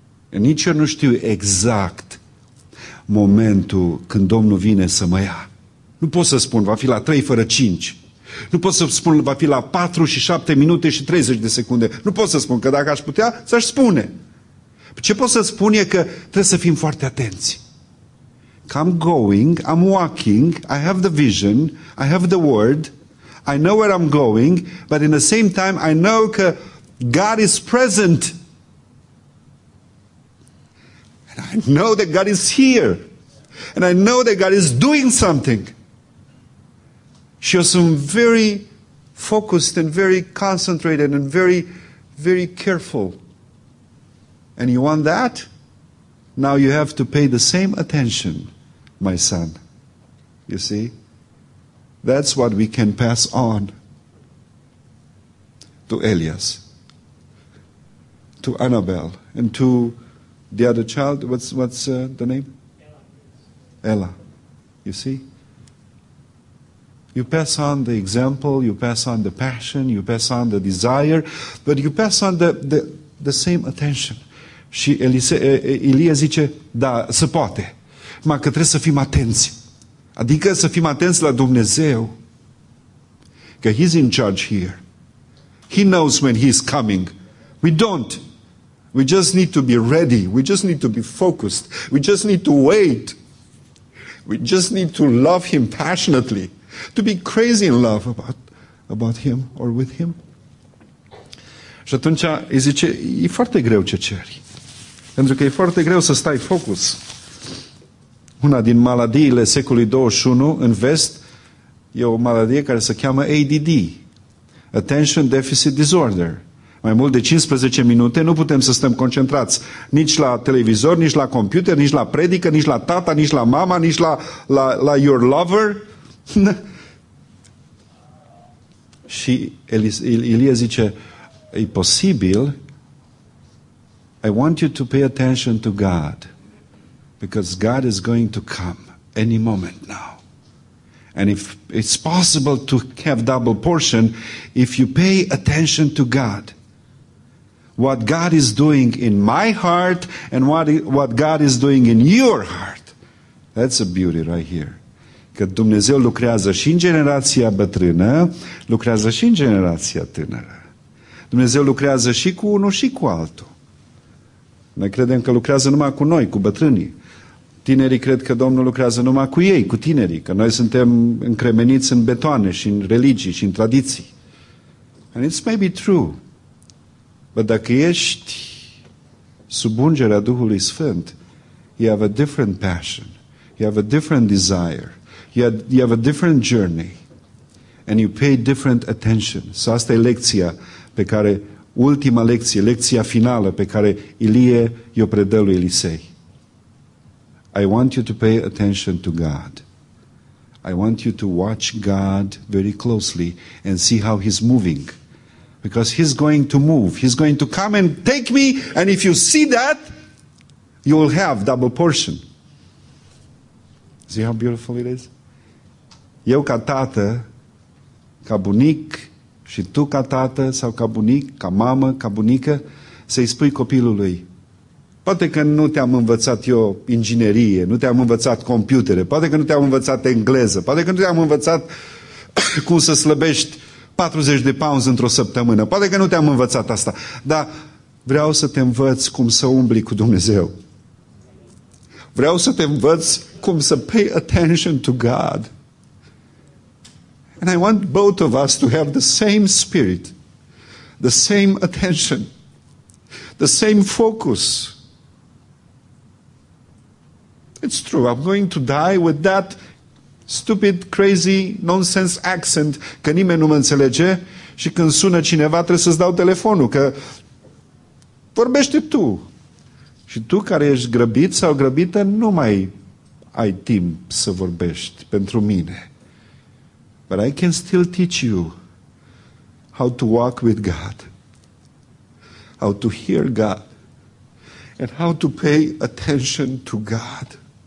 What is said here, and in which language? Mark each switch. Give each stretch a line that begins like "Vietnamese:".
Romanian: Nici eu nu știu exact momentul când Domnul vine să mă ia. Nu pot să spun, va fi la 3 fără 5. Nu pot să spun, va fi la 4 și 7 minute și 30 de secunde. Nu pot să spun, că dacă aș putea, să-și spune. Ce pot să spun e că trebuie să fim foarte atenți. Că
English: I'm going, I'm walking, I have the vision, I have the word, I know where I'm going, but in the same time, I know
Romanian: că
English: God is present. And I know that God is here. And I know that God is doing something.
Romanian: Și eu sunt
English: very focused and very concentrated and very, very careful. And you want that? Now you have to pay the same attention, my son. You see? That's what we can pass on to Elias, to Annabelle, and to the other child. What's the name? Ella. You see? You pass on the example, you pass on the passion, you pass on the desire, but you pass on the same attention.
Romanian: Și Elie zice, da, se poate, mai că trebuie să fim atenți. Adică să fim atenți la Dumnezeu, că
English: He's in charge here. He knows when He's coming. We don't. We just need to be ready. We just need to be focused. We just need to wait. We just need to love Him passionately. To be crazy in love about Him or with Him.
Romanian: Și atunci îi zice, e foarte greu ce ceri. Pentru că e foarte greu să stai focus. Una din maladiile secolului 21 în vest e o maladie care se cheamă ADD.
English: Attention Deficit Disorder.
Romanian: Mai mult de 15 minute nu putem să stăm concentrați nici la televizor, nici la computer, nici la predică, nici la tata, nici la mama, nici la
English: your lover.
Romanian: Și Ilie zice, e posibil...
English: I want you to pay attention to God because God is going to come any moment now. And if it's possible to have double portion, if you pay attention to God, what God is doing in my heart and what God is doing in your heart. That's a beauty right here.
Romanian: Că Dumnezeu lucrează și în generația bătrână, lucrează și în generația tânără. Dumnezeu lucrează și cu unul și cu altul. Noi credem că lucrează numai cu noi, cu bătrânii. Tinerii cred că Domnul lucrează numai cu ei, cu tinerii, că noi suntem încremeniți în betoane și în religii și în tradiții.
English: And it's maybe true. But
Romanian: dacă ești sub ungerea Duhului Sfânt,
English: you have a different passion, you have a different desire, you have a different journey, and you pay different attention. So
Romanian: asta e lecția pe care, ultima lecție, lecția finală pe care Ilie i-o predă lui Elisei.
English: I want you to pay attention to God. I want you to watch God very closely and see how He's moving. Because He's going to move. He's going to come and take me, and if you see that, you will have double portion. See how beautiful it is?
Romanian: Eu ca tată, ca bunic, și tu ca tată, sau ca bunic, ca mamă, ca bunică, să-i spui copilului, poate că nu te-am învățat eu inginerie, nu te-am învățat computere, poate că nu te-am învățat engleză, poate că nu te-am învățat cum să slăbești 40 de pounds într-o săptămână, poate că nu te-am învățat asta, dar vreau să te învăț cum să umbli cu Dumnezeu. Vreau să te învăț cum să
English: pay attention to God. And I want both of us to have the same spirit, the same attention, the same focus. It's true, I'm going to die with that stupid, crazy, nonsense accent,
Romanian: că nimeni nu mă înțelege și când sună cineva trebuie să-ți dau telefonul, că vorbește tu. Și tu care ești grăbit sau grăbită, nu mai ai timp să vorbești pentru mine.
English: But I can still teach you how to walk with God, how to hear God, and how to pay attention to God.